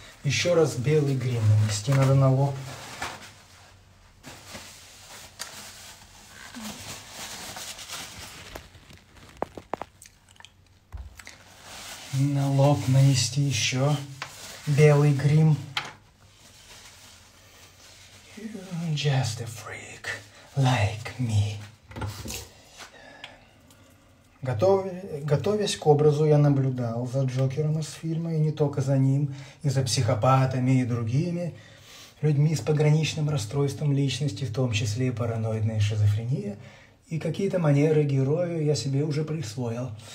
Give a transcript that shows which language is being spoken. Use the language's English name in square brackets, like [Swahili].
[Russian] Еще раз белый грим нанести надо на лоб. На лоб нанести еще белый грим. [English] You're just a freak like me. [Russian] Готовясь к образу, я наблюдал за Джокером из фильма, и не только за ним, и за психопатами, и другими людьми с пограничным расстройством личности, в том числе и параноидная шизофрения, и какие-то манеры героя я себе уже присвоил.